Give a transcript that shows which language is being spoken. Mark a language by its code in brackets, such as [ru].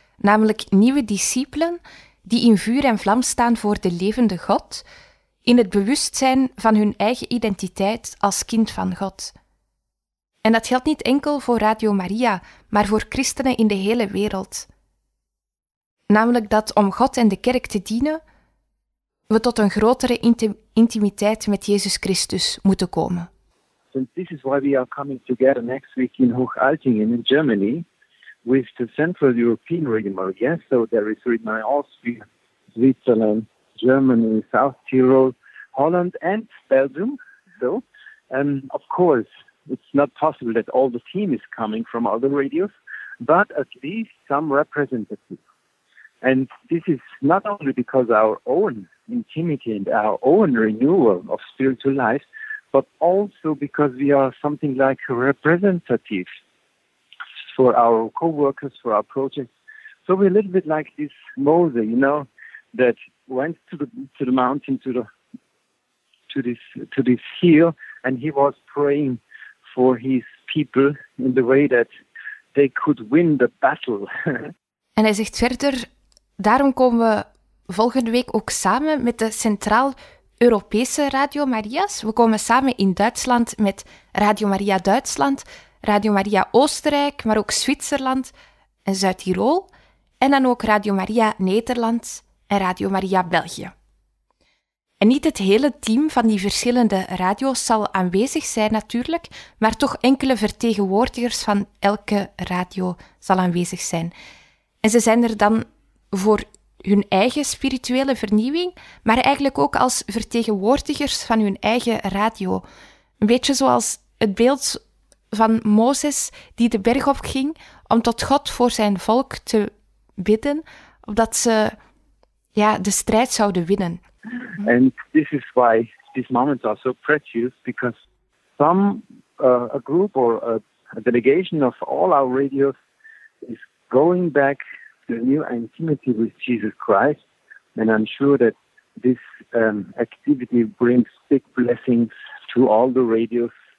[nl] Namelijk nieuwe discipelen die in vuur en vlam staan voor de levende God, in het bewustzijn van hun eigen identiteit als kind van God. En dat geldt niet enkel voor Radio Maria, maar voor christenen in de hele wereld. Namelijk dat om God en de kerk te dienen, we tot een grotere intimiteit met Jezus Christus moeten komen. [en] Since this is why we are coming together next week in Hochaltingen in Germany with the Central European Radio Maria. So there is Radio Maria Austria, Switzerland, Germany, South Tyrol, Holland and Belgium. So, of course, it's not possible that all the team is coming from other radios, but at least some representatives. And this is not only because our own intimacy and our own renewal of spiritual life, but also because we are something like representatives for our co-workers, for our projects. So we're a little bit like this Moses, you know, that went to the mountain, to this hill, and he was praying for his people in the way that they could win the battle. [nl] En hij zegt verder, daarom komen we volgende week ook samen met de Centraal Europese Radio Maria's. We komen samen in Duitsland met Radio Maria Duitsland, Radio Maria Oostenrijk, maar ook Zwitserland en Zuid-Tirol. En dan ook Radio Maria Nederland en Radio Maria België. En niet het hele team van die verschillende radio's zal aanwezig zijn natuurlijk, maar toch enkele vertegenwoordigers van elke radio zal aanwezig zijn. En ze zijn er dan voor hun eigen spirituele vernieuwing, maar eigenlijk ook als vertegenwoordigers van hun eigen radio. Een beetje zoals het beeld van Mozes die de berg op ging om tot God voor zijn volk te bidden, opdat ze ja, de strijd zouden winnen. [en] And this is why these moments are so precious, because some a group or a delegation of all our radios is going back to a new intimacy with Jesus Christ, and I'm sure that this activity brings big blessings to all the radios.